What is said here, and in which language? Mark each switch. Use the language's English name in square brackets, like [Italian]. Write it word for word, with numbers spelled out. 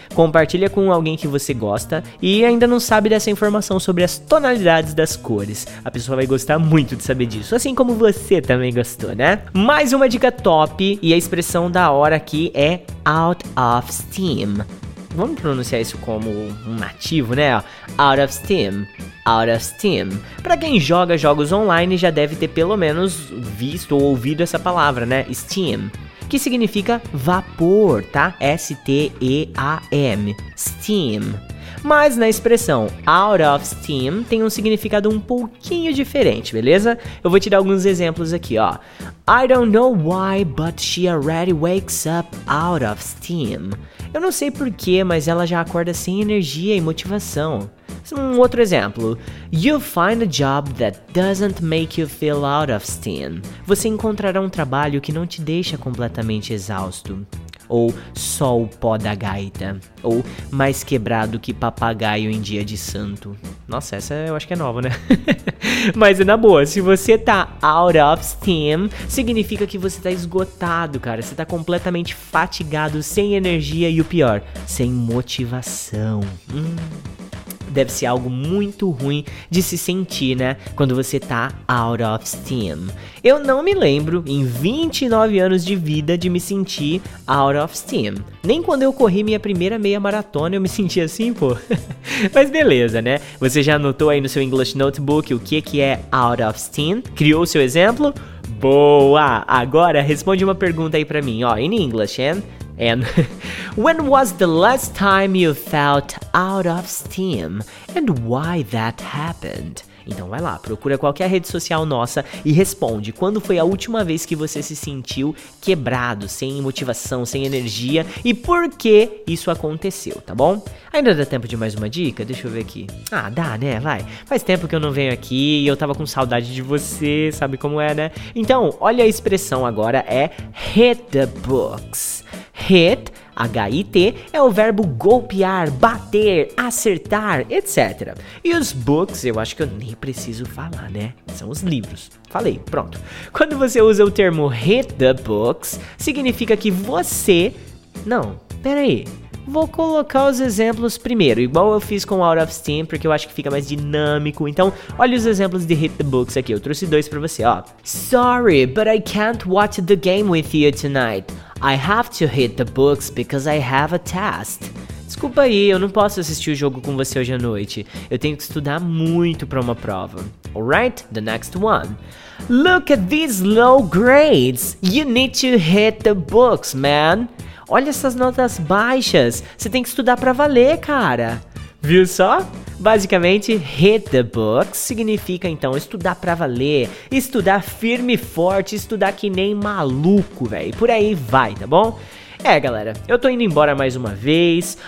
[Portuguese] Compartilha com alguém que você gosta e ainda não sabe dessa informação sobre as tonalidades das cores. A pessoa vai gostar muito de saber disso, assim como você também gostou, né? Mais uma dica top, e a expressão da hora aqui é out of steam. Vamos pronunciar isso como um nativo, né? [English] Out of steam, out of steam. [Portuguese] Pra quem joga jogos online já deve ter pelo menos visto ou ouvido essa palavra, né? Steam, que significa vapor, tá? S T E A M, steam. Mas na expressão out of steam tem um significado um pouquinho diferente, beleza? Eu vou te dar alguns exemplos aqui, ó. [English] I don't know why, but she already wakes up out of steam. [Portuguese] Eu não sei porquê, mas ela já acorda sem energia e motivação. Um outro exemplo. [English] You find a job that doesn't make you feel out of steam. [Portuguese] Você encontrará um trabalho que não te deixa completamente exausto. Ou só o pó da gaita. Ou mais quebrado que papagaio em dia de santo. Nossa, essa eu acho que é nova, né? Mas é na boa, se você tá out of steam, significa que você tá esgotado, cara. Você tá completamente fatigado, sem energia e o pior, sem motivação. Hum... Deve ser algo muito ruim de se sentir, né? Quando você tá out of steam. Eu não me lembro, em vinte e nove anos de vida, de me sentir out of steam. Nem quando eu corri minha primeira meia maratona eu me senti assim, pô. Mas beleza, né? Você já anotou aí no seu English Notebook o que que é out of steam? Criou o seu exemplo? Boa! Agora responde uma pergunta aí pra mim, ó. [English] In English, hein? And when was the last time you felt out of steam and why that happened? [Portuguese] Então vai lá, procura qualquer rede social nossa e responde. Quando foi a última vez que você se sentiu quebrado, sem motivação, sem energia e por que isso aconteceu, tá bom? Ainda dá tempo de mais uma dica? Deixa eu ver aqui. Ah, dá, né? Vai. Faz tempo que eu não venho aqui e eu tava com saudade de você, sabe como é, né? Então, olha a expressão agora, é hit the books. Hit, H I T, é o verbo golpear, bater, acertar, etcétera. E os books, eu acho que eu nem preciso falar, né? São os livros. Falei, pronto. Quando você usa o termo hit the books, significa que você... Não, peraí. Vou colocar os exemplos primeiro, igual eu fiz com Out of Steam, porque eu acho que fica mais dinâmico. Então, olha os exemplos de Hit the Books aqui. Eu trouxe dois pra você, ó. [English] Sorry, but I can't watch the game with you tonight. I have to hit the books because I have a test. [Portuguese] Desculpa aí, eu não posso assistir o jogo com você hoje à noite. Eu tenho que estudar muito pra uma prova. [English] Alright, the next one. Look at these low grades. You need to hit the books, man. [Portuguese] Olha essas notas baixas. Você tem que estudar pra valer, cara. Viu só? Basicamente, hit the books significa, então, estudar pra valer, estudar firme e forte, estudar que nem maluco, velho. Por aí vai, tá bom? É, galera, eu tô indo embora mais uma vez.